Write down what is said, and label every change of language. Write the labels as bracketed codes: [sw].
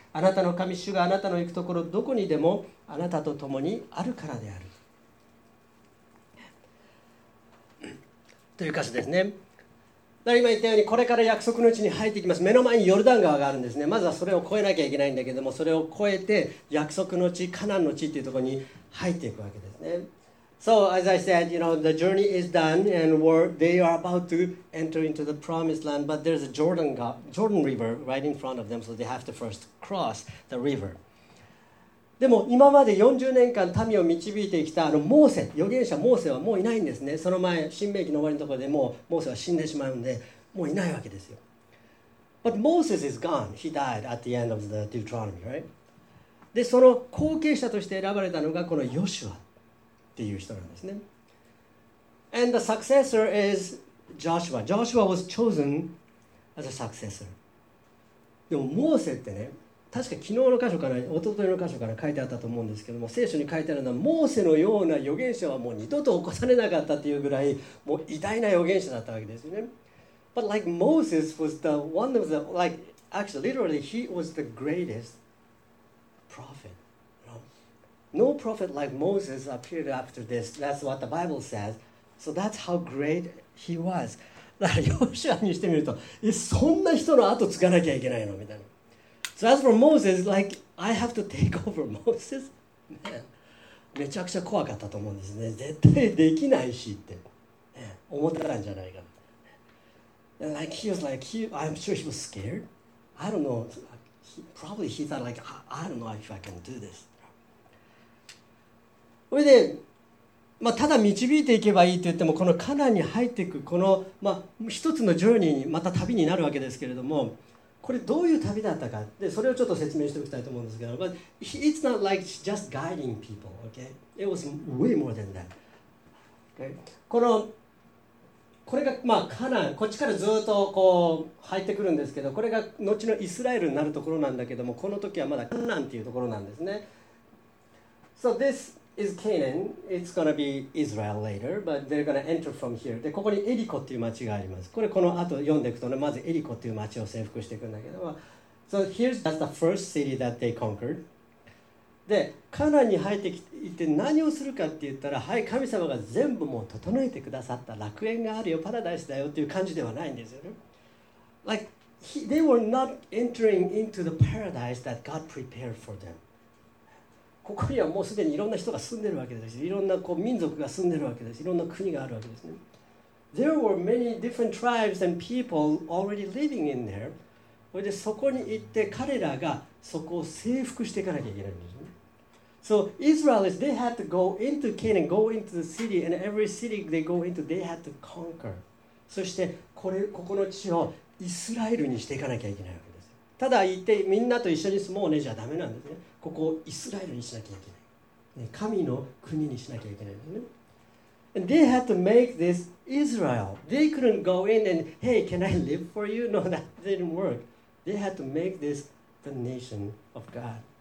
[ja] あなたの神主があなたの行くところどこにでもあなたと共にあるからである、という歌詞ですね。今言ったようにこれから約束の地に入っていきます。目の前にヨルダン川があるんですね。まずはそれを越えなきゃいけないんだけども、それを越えて約束の地、カナンの地っていうところに入っていくわけですね。 [en] So as I said, you know, the journey is done and they are about to enter into the promised land, but there's a Jordan River right in front of them, so they have to first cross the river. [ja] でも今まで40年間民を導いてきたあのモーセ、預言者モーセはもういないんですね。その前、新命記の終わりのところでもうモーセは死んでしまうんで、もういないわけですよ。 [en] But Moses is gone. He died at the end of the Deuteronomy, right? [ja] で、その後継者として選ばれたのがこのヨシュアっていう人なんですね。 [en] And the successor is Joshua. Joshua was chosen as a successor. [ja] でもモーセってね、確か昨日の箇所から、一昨日の箇所から書いてあったと思うんですけども、聖書に書いてあるのは、モーセのような預言者はもう二度と起こされなかったっていうぐらい、もう偉大な預言者だったわけですよね。 [en] But like Moses was the one of the, like, actually, literally, he was the greatest prophet. No prophet like Moses appeared after this. That's what the Bible says. So that's how great he was. [ja] だからヨシュアにしてみると、そんな人の後継がなきゃいけないのみたいな。 [en] So as for Moses, like, I have to take over Moses. [ja] めちゃくちゃ怖かったと思うんですね。絶対できないしって、ね、思ったんじゃないか。 [en] And like, he was like, he, I'm sure he was scared. I don't know. He, probably he thought like, I don't know if I can do this. [ja] それで、まあ、ただ導いていけばいいと言っても、このカナンに入っていくこの、まあ、一つのジョーニー、また旅になるわけですけれども、これどういう旅だったか、でそれをちょっと説明しておきたいと思うんですけど、 [en] But it's not like just guiding people, okay? It was way more than that. Okay? [ja] これがまあカナン、こっちからずっとこう入ってくるんですけど、これが後のイスラエルになるところなんだけども、この時はまだカナンっていうところなんですね。 [en] So thisis Canaan. It's going to be Israel later, but they're going to enter from here. [ja] で、ここにエリコっていう町があります。これこの後読んでいくとね、まずエリコっていう町を征服していくんだけど、 [en] So here's that's the first city that they conquered. [ja] で、カナンに入ってきていて何をするかって言ったら、はい、神様が全部もう整えてくださった楽園があるよ、パラダイスだよっていう感じではないんですよね。 [en] Like he, they were not entering into the paradise that God prepared for them. [ja] ここにはもうすでにいろんな人が住んでるわけですし、いろんなこう民族が住んでるわけですし、いろんな国があるわけですね。 [en] There were many different tribes and people already living in there. [ja] それでそこに行って彼らがそこを征服していかなきゃいけないんですね。 [en] So Israelis, they had to go into Canaan, go into the city, and every city they go into, they had to conquer. [ja] そしてここの地をイスラエルにしていかなきゃいけないわけです。ただ行ってみんなと一緒に住もうねじゃダメなんですね。ここをイスラエルにしなきゃいけない、ね、神の国にしなきゃいけないね。 [en] And they had to make this Israel. They couldn't go in and hey, can I live for you? No, that didn't work. They had to make this the nation of God.